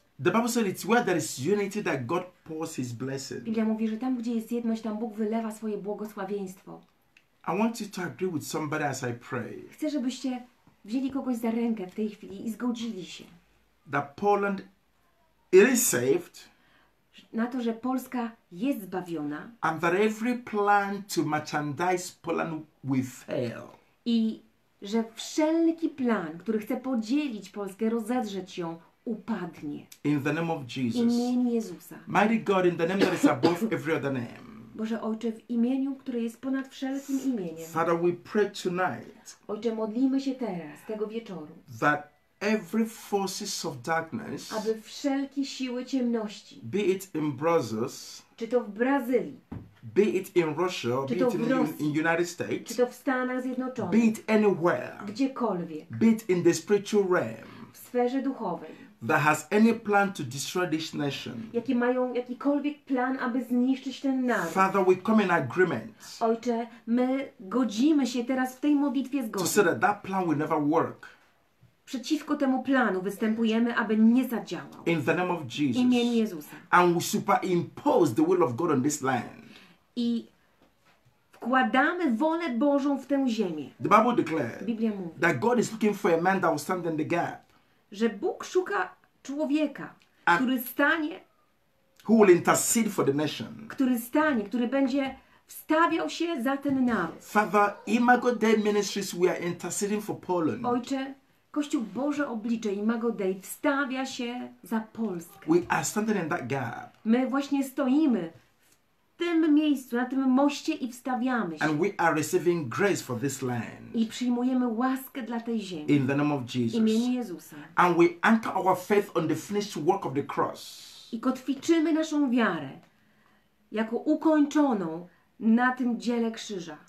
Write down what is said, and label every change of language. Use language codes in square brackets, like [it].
[en] The Bible says it's where there is unity that God pours His blessing. [pl] Biblia mówi, że tam, gdzie jest jedność, tam Bóg wylewa swoje błogosławieństwo. [en] I want you to agree with somebody as I pray. [pl] Chcę, żebyście wzięli kogoś za rękę w tej chwili i zgodzili się. [en] That Poland it is saved. [pl] Na to, że Polska jest zbawiona. [en] And that every plan to merchandise Poland will fail. [pl] I że wszelki plan, który chce podzielić Polskę, rozedrzeć ją, upadnie. [en] In the name of Jesus. [pl] W imieniu Jezusa. [en] Mighty God, in the name that is above every other name. [pl] Boże Ojcze, w imieniu, które jest ponad wszelkim imieniem. [en] Father, we pray tonight. [pl] Ojcze, modlimy się teraz, tego wieczoru. [en] That every forces of darkness. [pl] Aby wszelkie siły ciemności. [en] Be it in Brussels. [pl] Czy to w Brazylii. [en] Be it in Russia, be it in the United States. [pl] Czy to w Stanach Zjednoczonych. [en] Be it anywhere. [pl] Gdziekolwiek. [en] Be it in the spiritual realm. [pl] W sferze duchowej. [en] That has any plan to destroy this nation. [pl] Jakie mają jakikolwiek plan, aby zniszczyć ten naród. [en] Father, we come in agreement. [pl] Ojcze, my godzimy się teraz w tej modlitwie zgody. [en] To say that that plan will never work. [pl] Przeciwko temu planu występujemy, aby nie zadziałał. [en] In the name of Jesus. [pl] Imieniu Jezusa. [en] And we superimpose the will of God on this land. [pl] I wkładamy wolę Bożą w tę ziemię. [en] The Bible declares. [pl] Biblia mówi. [en] That God is looking for a man that will stand in the gap. [pl] Że Bóg szuka człowieka, który stanie, [en] who will intercede for the nation. [pl] Który stanie, który będzie wstawiał się za ten naród. [en] Father, Imago Dei Ministries, we are interceding for Poland. [pl] Ojcze, Kościół Boże Oblicze Imago Dei wstawia się za Polskę. [en] We are standing in that gap. [pl] My właśnie stoimy w tym miejscu, na tym moście i wstawiamy się. [en] And we are receiving grace for this land. [pl] I przyjmujemy łaskę dla tej ziemi. [en] In the name of Jesus. [pl] W imieniu Jezusa. [en] And we anchor our faith on the finished work of the cross. [pl] I kotwiczymy naszą wiarę jako ukończoną na tym dziele krzyża.